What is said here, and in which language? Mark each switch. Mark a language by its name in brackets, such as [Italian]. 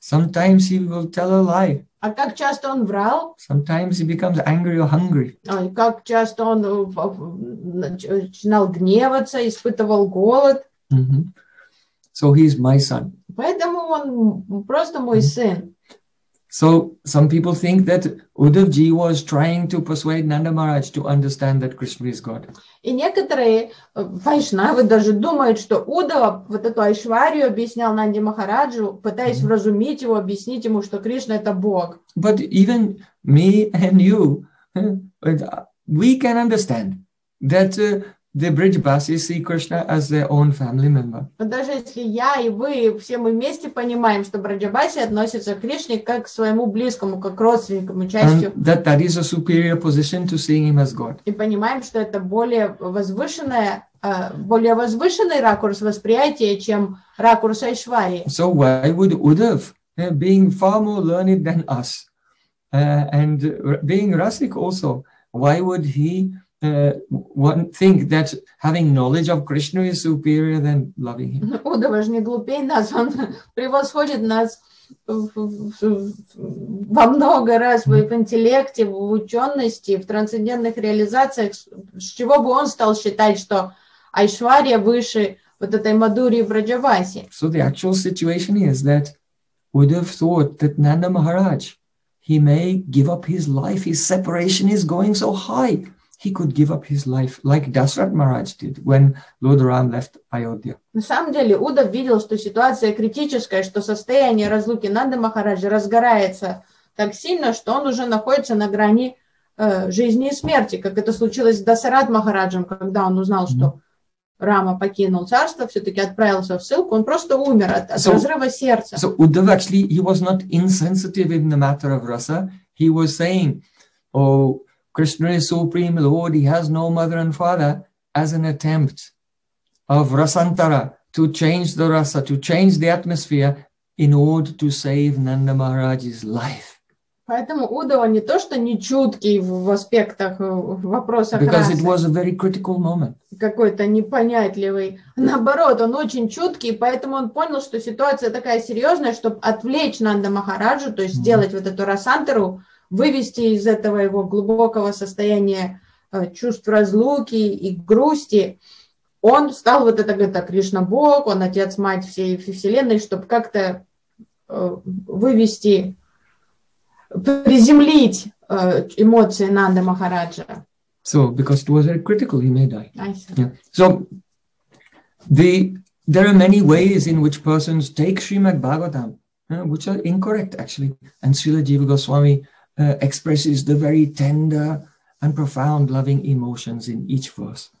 [English] Sometimes he will tell a lie. [Russian] А как часто он врал? [English] Sometimes he becomes angry or hungry. [Russian] А как часто он начинал гневаться, испытывал голод? [English] So he's my son. [Russian] Поэтому он просто мой сын. [English] So some people think that Uddhavji was trying to persuade Nanda Maharaj to understand that Krishna is God. [Russian] И некоторые вайшнавы даже думают, что Удава вот эту айшварию объяснял Нанде Махараджу, пытаясь вразумить его, объяснить ему, что Кришна это Бог. [English] But even me and you, we can understand that the Brijbasis see Krishna as their own family member. [Russian] Но даже если я и вы все мы вместе понимаем, что Браджабаси относится к Кришне как к своему близкому, как к родственнику, частью. [English] That is a superior position to seeing him as God. [Russian] И понимаем, что это более возвышенный ракурс восприятия, чем ракурс Айшвари. [English] So why would Uddhav, being far more learned than us, and being rasic also, why would he one think that having knowledge of Krishna is superior than loving him? [Russian] Удава же не глупее нас, он превосходит нас во много раз в интеллекте, в учености, в трансцендентных реализациях. С чего бы он стал считать, что Айшвария выше вот этой Мадури и Враджаваси? [English] So the actual situation is that Удав thought that Нанда Махарадж, he may give up his life, his separation is going so high. He could give up his life like Dasharatha Maharaj did when Lord Ram left Ayodhya. [Russian] На самом деле, Удав видел, что ситуация критическая, что состояние разлуки Нанды Махараджа разгорается так сильно, что он уже находится на грани жизни и смерти, как это случилось с Дасаратом Махараджем, когда он узнал, что Рама покинул царство, все-таки отправился в ссылку, он просто умер от разрыва сердца. [English] So Удав actually, he was not insensitive in the matter of rasa. He was saying, "Oh, Krishna is Supreme Lord, he has no mother and father," as an attempt of rasantara, to change the rasa, to change the atmosphere in order to save Nanda Maharaj's life. [Russian] Поэтому Удава не то, что не чуткий в аспектах вопроса расы. [English] Because it was a very critical moment. [Russian] Какой-то непонятливый. Наоборот, он очень чуткий, поэтому он понял, что ситуация такая серьезная, чтобы отвлечь Нанда Махараджу, то есть сделать вот эту расантару, вывести из этого его глубокого состояния чувств разлуки и грусти, он стал вот это, говорит, Кришна Бог, он отец, мать всей вселенной, чтобы как-то вывести, приземлить эмоции Нанды Махараджа. [English] So, because it was very critical, he may die. I see. Yeah. So, there are many ways in which persons take Srimad Bhagavatam, which are incorrect, actually. And Srila Jiva Goswami expresses the very tender and profound loving emotions in each verse.